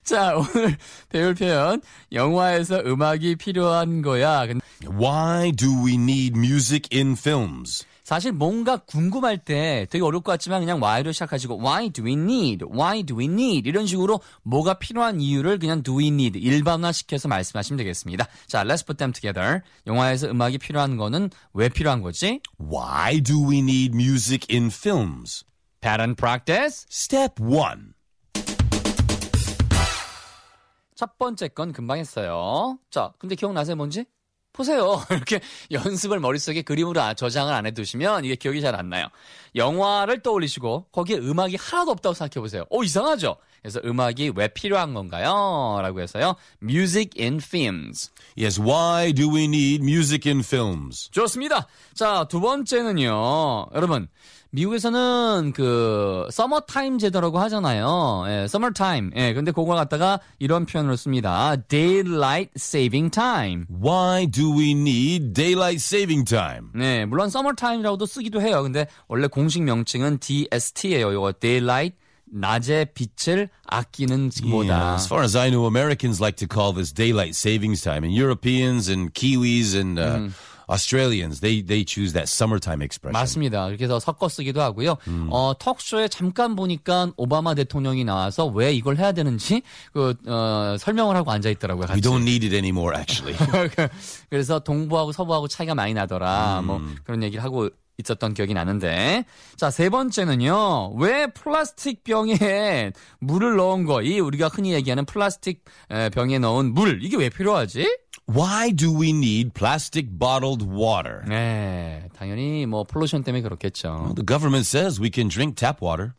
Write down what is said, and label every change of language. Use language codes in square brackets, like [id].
[ko] 자, 오늘 배울 표현 영화에서 음악이 필요한 거야. [en] Why do we need music in films? [ko] 사실 뭔가 궁금할 때 되게 어려울 것 같지만 그냥 why로 시작하시고 [en] why do we need? why do we need? [ko] 이런 식으로 뭐가 필요한 이유를 그냥 [en] do we need [ko] 일반화시켜서 말씀하시면 되겠습니다. [en] 자, let's put them together. [ko] 영화에서 음악이 필요한 거는 왜 필요한 거지? [en] Why do we need music in films? Pattern practice. Step 1. [ko] 첫 번째 건 금방 했어요. 자, 근데 기억나세요 뭔지? 보세요. 이렇게 연습을 머릿속에 그림으로 저장을 안 해두시면 이게 기억이 잘 안 나요. 영화를 떠올리시고 거기에 음악이 하나도 없다고 생각해보세요. 오, 이상하죠? 그래서 음악이 왜 필요한 건가요? 라고 해서요. [en] Music in films. Yes, why do we need music in films? [ko] 좋습니다. 자, 두 번째는요. 여러분, 미국에서는 그 summertime 제도라고 하잖아요. 예, summertime. 예, 근데 그걸 갖다가 이런 표현으로 씁니다. [en] Daylight saving time. Why do we need daylight saving time? [ko] 네, 물론 summertime이라고도 쓰기도 해요. 근데 원래 공식 명칭은 DST예요. 이거 daylight 낮의 빛을 아끼는 시간이다. [en] Yeah, as far as I know, Americans like to call this daylight savings time, and Europeans and Kiwis and Australians, they choose that summertime expression. [ko] 맞습니다. 이렇게 해서 섞어 쓰기도 하고요. 톡쇼에 잠깐 보니까 오바마 대통령이 나와서 왜 이걸 해야 되는지 설명을 하고 앉아 있더라고요. 같이. [en] We don't need it anymore, actually. [ko] 그래서 동부하고 서부하고 차이가 많이 나더라. 뭐 그런 얘기를 하고 있었던 기억이 나는데. 자, 세 번째는요. 왜 플라스틱 병에 물을 넣은 거? 이 우리가 흔히 얘기하는 플라스틱 병에 넣은 물. 이게 왜 필요하지? [en] Why do we need plastic bottled water? [ko] 네, 당연히 뭐 폴루션 때문에 그렇겠죠. [en] Well, the government says we can drink tap water.